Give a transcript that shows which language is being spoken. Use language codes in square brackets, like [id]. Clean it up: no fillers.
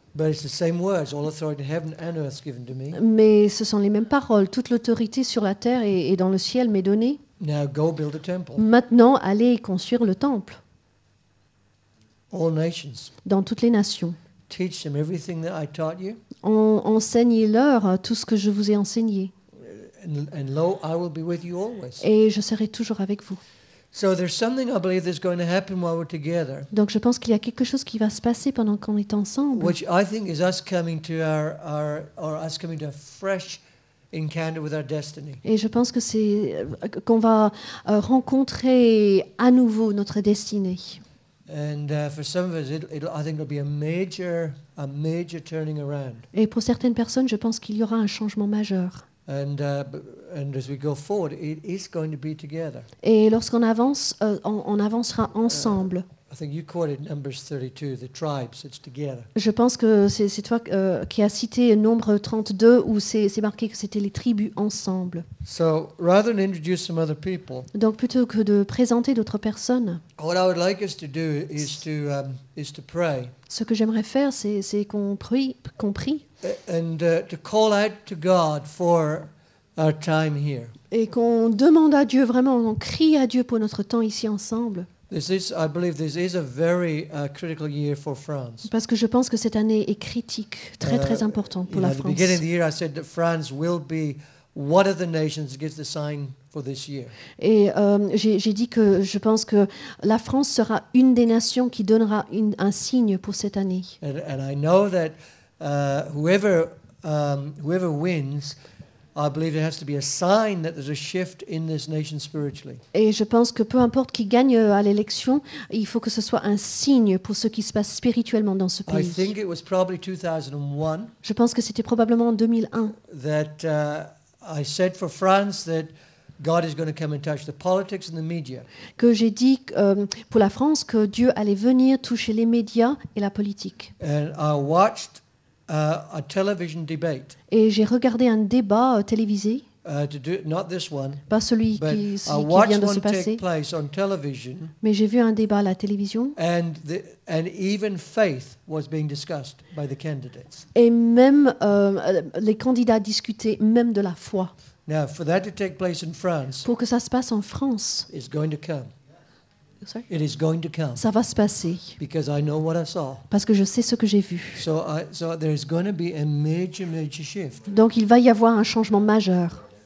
[en] But it's the same words, all authority in heaven and earth is given to me. [fr] Mais ce sont les mêmes paroles, toute l'autorité sur la terre et dans le ciel m'est donnée. [en] Now go build a temple. [fr] Maintenant, allez construire le temple. [en] All nations. [fr] Dans toutes les nations. [en] Teach them everything that I taught you. [fr] Enseignez-leur tout ce que je vous ai enseigné. [en] And lo, I will be with you always. [fr] Et je serai toujours avec vous. [en] So there's something I believe that's going to happen while we're together. [fr] Donc je pense qu'il y a quelque chose qui va se passer pendant qu'on est ensemble. [en] Which I think is us coming to us coming to a fresh encounter with our destiny. [fr] Et je pense que c'est qu'on va rencontrer à nouveau notre destinée. [en] And for some of us, I think it'll be a major turning around. [fr] Et pour certaines personnes, je pense qu'il y aura un changement majeur. [en] And as we go forward, it is going to be together. [fr] Et lorsqu'on avance, on avancera ensemble. [en] I think you quoted Numbers 32, the tribes, it's together. [fr] Je pense que c'est toi qui as cité Nombre 32 où c'est marqué que c'était les tribus ensemble. [en] So, rather than introduce some other people, [fr] donc plutôt que de présenter d'autres personnes, [en] what I would like us to do is to, is to pray. [fr] Ce que j'aimerais faire, c'est qu'on prie. [en] And to call out to God for our time here. [fr] Et qu'on demande à Dieu vraiment, on crie à Dieu pour notre temps ici ensemble. Parce que je pense que cette année est critique, très très importante pour la France. [en] At the beginning of the year, I said that France will be one of the nations that gives the sign for this year. [fr] Et j'ai dit que je pense que la France sera une des nations qui donnera un signe pour cette année. [en] And I know that whoever wins. I believe it has to be a sign that there's a shift in this nation spiritually. [fr] Et je pense que peu importe qui gagne à l'élection, il faut que ce soit un signe pour ce qui se passe spirituellement dans ce pays. [en] I think it was probably 2001. [fr] Je pense que c'était probablement en 2001. [en] That I said for France that God is going to come and touch the politics and the media. [fr] Que j'ai dit pour la France que Dieu allait venir toucher les médias et la politique. [en] And I watched a television debate. [fr] Et j'ai regardé un débat télévisé. [en] Not this one, [fr] pas celui qui vient de se passer. [en] Take place on television, [fr] mais j'ai vu un débat à la télévision. [en] And even faith was being discussed by the candidates. [fr] Et même les candidats discutaient même de la foi. [en] Now, for that to take place in France, [fr] pour que ça se passe en France, [en] it's going to come. Sorry? It is going to come. [fr] Ça va se passer. [en] Because I know what I saw. [fr] Parce que je sais ce que j'ai vu. [en] So there is going to be a major, major shift. [fr] Donc il va y avoir un changement majeur.